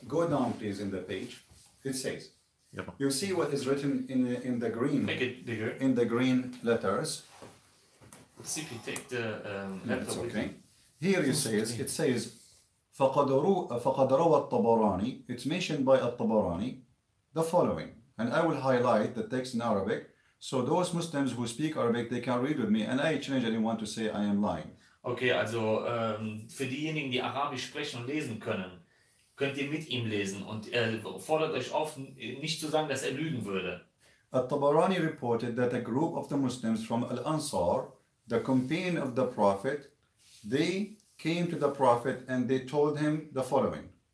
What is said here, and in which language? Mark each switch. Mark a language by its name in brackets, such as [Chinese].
[English] Go down please in the page. It says. You see what is written in the green. Make it bigger. In the green letters. Simply take the laptop. Okay. Here you say it says [Arabic] فَقَدْ رَوَى الطَّبَرَانِي. [English] It's mentioned by الطَّبَرَانِي the following. And I will highlight the text in Arabic. So those Muslims who speak Arabic, they can read with me. And I challenge anyone to say I am lying. [German] Okay, also für diejenigen, die Arabisch sprechen und lesen können, könnt ihr mit ihm lesen. Und er fordert euch auf, nicht zu sagen, dass er lügen würde. [English] الطَّبَرَانِي reported that a group of the Muslims from Al-Ansar, the companion of the Prophet, they came to the Prophet and they told him the following.